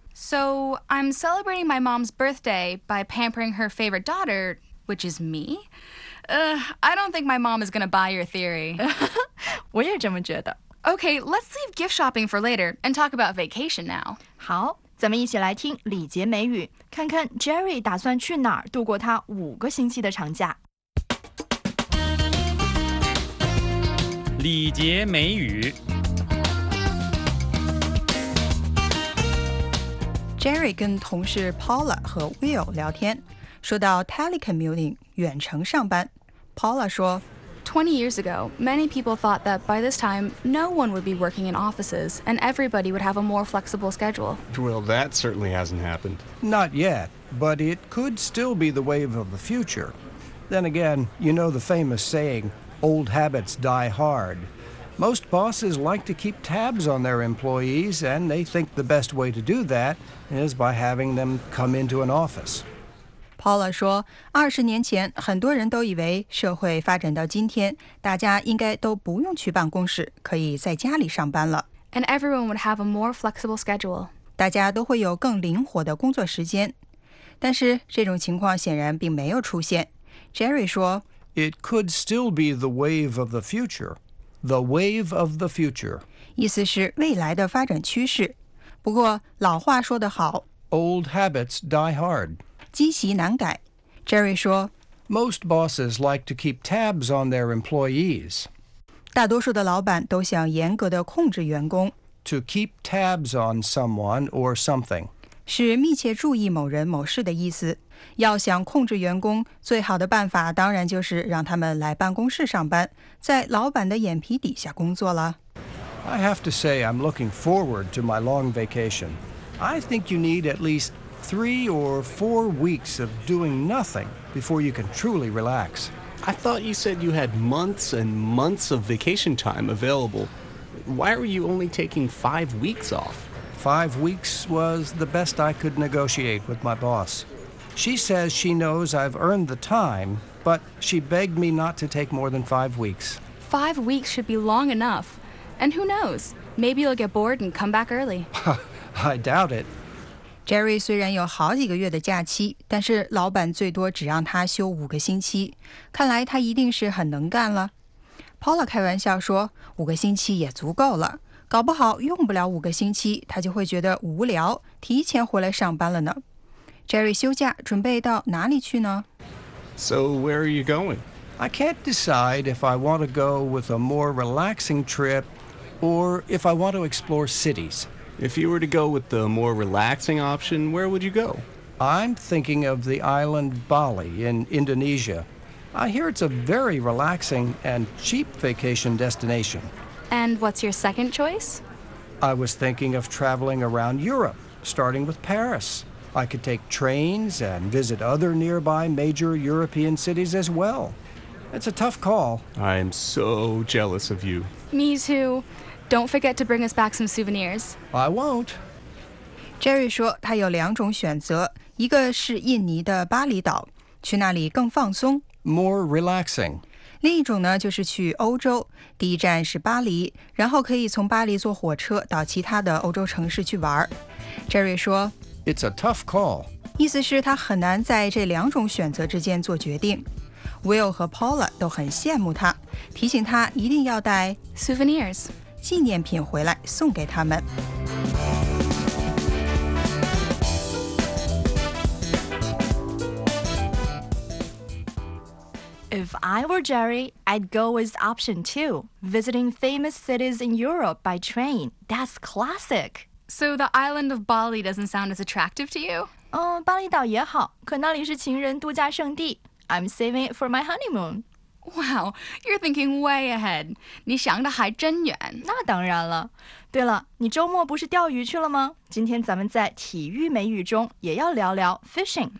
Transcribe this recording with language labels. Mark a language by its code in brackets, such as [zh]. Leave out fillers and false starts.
[en] So, I'm celebrating my mom's birthday by pampering her favorite daughter, which is me? I don't think my mom is going to buy your theory. [zh] 我也这么觉得。 [en] Okay, let's leave gift shopping for later and talk about vacation now. [zh] 好，咱们一起来听礼节美语，看看 Jerry 打算去哪儿度过他5个星期的长假。礼节美语。 Jerry 跟同事 Paula 和 Will 聊天，说到 telecommuting 远程上班。Paula 说 [en] ，20 years ago, many people thought that by this time, no one would be working in offices and everybody would have a more flexible schedule. Well, that certainly hasn't happened. Not yet, but it could still be the wave of the future. Then again, you know the famous saying. Old habits die hard. Most bosses like to keep tabs on their employees, and they think the best way to do that is by having them come into an office. [zh] Paula 说，20年前很多人都以为社会发展到今天，大家应该都不用去办公室，可以在家里上班了。 [en] And everyone would have a more flexible schedule. [zh] 大家都会有更灵活的工作时间。但是这种情况显然并没有出现。 Jerry 说， [en] It could still be the wave of the future. The wave of the future. [zh] 意思是未来的发展趋势。不过老话说得好。 [en] Old habits die hard. [zh] 积习难改。Jerry 说 [en] Most bosses like to keep tabs on their employees. [zh] 大多数的老板都想严格地控制员工。 [en] To keep tabs on someone or something. [zh] 是密切注意某人某事的意思。要想控制员工，最好的办法当然就是让他们来办公室上班，在老板的眼皮底下工作了。 [en] I have to say I'm looking forward to my long vacation. I think you need at least 3 or 4 weeks of doing nothing before you can truly relax. I thought you said you had months and months of vacation time available. Why are you only taking 5 weeks off? 5 weeks was the best I could negotiate with my boss. She says she knows I've earned the time, but she begged me not to take more than 5 weeks. 5 weeks should be long enough. And who knows? Maybe you'll get bored and come back early. I doubt it. [zh] Jerry 虽然有好几个月的假期，但是老板最多只让他休五个星期，看来他一定是很能干了。 Paula 开玩笑说，五个星期也足够了，搞不好用不了五个星期，他就会觉得无聊，提前回来上班了呢。 Jerry 休假，准备到哪里去呢？ [en] So where are you going? I can't decide if I want to go with a more relaxing trip or if I want to explore cities. If you were to go with the more relaxing option, where would you go? I'm thinking of the island Bali in Indonesia. I hear it's a very relaxing and cheap vacation destination. And what's your second choice? I was thinking of traveling around Europe, starting with Paris. I could take trains and visit other nearby major European cities as well. It's a tough call. I am so jealous of you. Me too. Don't forget to bring us back some souvenirs. I won't. [zh] Jerry 说他有两种选择，一个是印尼的巴厘岛，去那里更放松。 [en] More relaxing. [zh] 另一种呢，就是去欧洲，第一站是巴黎，然后可以从巴黎坐火车到其他的欧洲城市去玩。 Jerry 说 [en] It's a tough call. [zh] 意思是他很难在这两种选择之间做决定。 Will 和 Paula 都很羡慕他，提醒他一定要带 [en] souvenirs. [zh] 纪念品回来送给他们。 [en] If I were Jerry, I'd go with option two, visiting famous cities in Europe by train. That's classic. So the island of Bali doesn't sound as attractive to you? [zh] 巴厘岛也好，可那里是情人度假胜地。 [en] I'm saving it for my honeymoon. Wow, you're thinking way ahead. [zh] 你想的还真远。那当然了。对了，你周末不是钓鱼去了吗？今天咱们在体育美语中也要聊聊 fishing.